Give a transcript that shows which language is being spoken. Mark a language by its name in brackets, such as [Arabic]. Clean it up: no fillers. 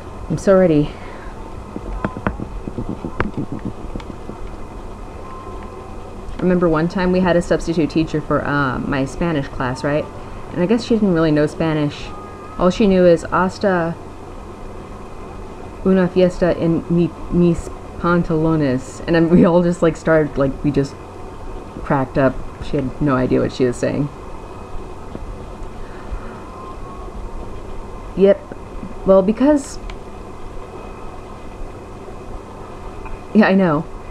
[English] I'm so ready. Remember one time we had a substitute teacher for my Spanish class, right? And I guess she didn't really know Spanish. All she knew is [Spanish] hasta una fiesta en mis pantalones. [English] And then we all just like started, like we just cracked up. She had no idea what she was saying. Yep. Well, because... Yeah, I know.